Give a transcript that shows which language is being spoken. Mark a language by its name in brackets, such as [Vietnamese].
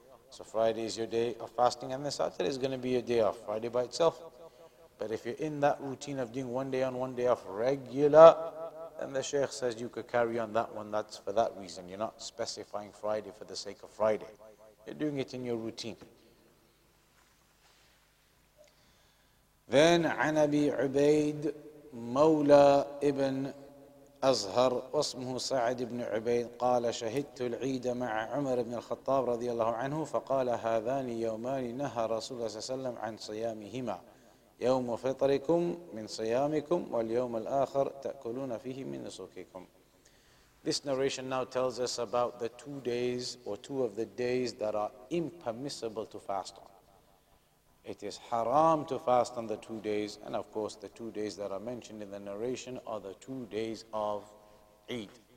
[English] So Friday is your day of fasting, and then Saturday is going to be your day off, Friday by itself. But if you're in that routine of doing one day on, one day off regular, then the Sheikh says you could carry on that one. That's for that reason. You're not specifying Friday for the sake of Friday. You're doing it in your routine. [Arabic] Then, عن أبي عبيد مولى ابن أزهر واسمه سعد بن عبيد قال شهدت العيد مع عمر بن الخطاب رضي الله عنه فقال هذان يومان نهى رسول الله صلى الله عليه وسلم عن صيامهما يوم فطركم من صيامكم واليوم الآخر تأكلون فيه من نسككم. [English] This narration now tells us about the 2 days or two of the days that are impermissible to fast on. It is haram to fast on the 2 days, and of course the 2 days that are mentioned in the narration are the 2 days of Eid.